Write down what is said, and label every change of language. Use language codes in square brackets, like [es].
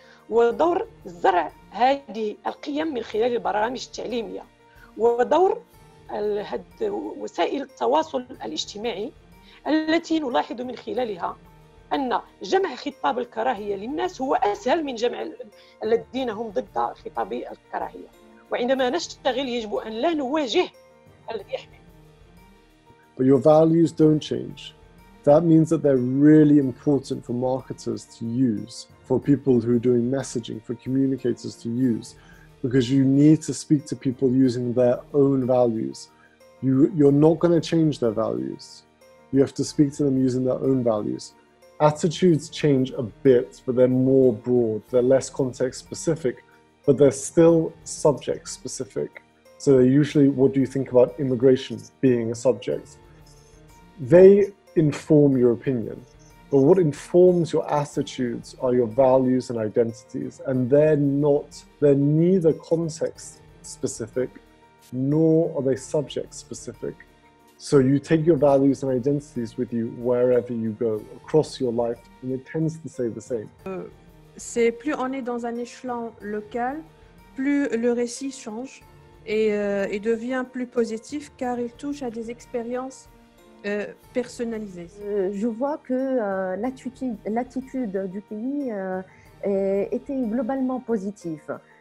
[ar] ودور زرع هذه القيم من خلال البرامج التعليمية ودور وسائل التواصل الاجتماعي التي نلاحظ من خلالها أن جمع خطاب الكراهية للناس هو أسهل من جمع الذين هم ضد خطاب الكراهية وعندما نشتغل يجب أن لا نواجه الذي [en] But your values don't change. That means that they're really important for marketers to use, for people who are doing messaging, for communicators to use, because you need to speak to people using their own values. You're not going to change their values. You have to speak to them using their own values. Attitudes change a bit, but they're more broad. They're less context specific, but they're still subject specific. So they're usually, what do you think about immigration being a subject? They inform your opinion, but what informs your attitudes are your values and identities. And they're neither context specific, nor are they subject specific. So you take your values and identities with you wherever you go across your life, and it tends to stay the same. [fr] C'est plus on est dans un échelon local, plus le récit change et devient plus positif car il touche à des expériences personnalisées. Je vois que l'attitude du pays était globalement positive.